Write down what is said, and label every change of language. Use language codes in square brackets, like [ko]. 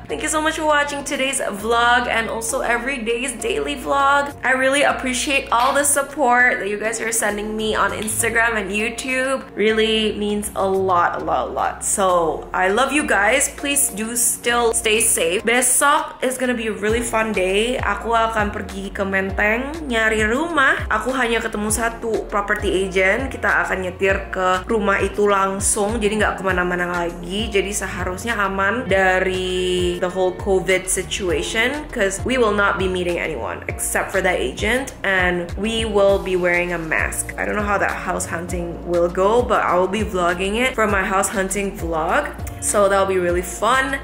[en] Thank you so much for watching today's vlog and also every day's daily vlog. I really appreciate all the support that you guys are sending me on Instagram and YouTube. Really means a lot. So I love you guys. Please do still stay safe. Besok is gonna be a really fun day. [id] Aku akan pergi ke Menteng nyari rumah. Aku hanya ketemu satu property agent. Kita akan nyetir ke rumah itu langsung, jadi gak kemana-mana lagi. [en] Jadi seharusnya aman dari the whole COVID situation, because we will not be meeting anyone except for that agent, and we will be wearing a mask. I don't know how that house hunting will go, but I will be vlogging it for my house hunting vlog, so that'll be really fun.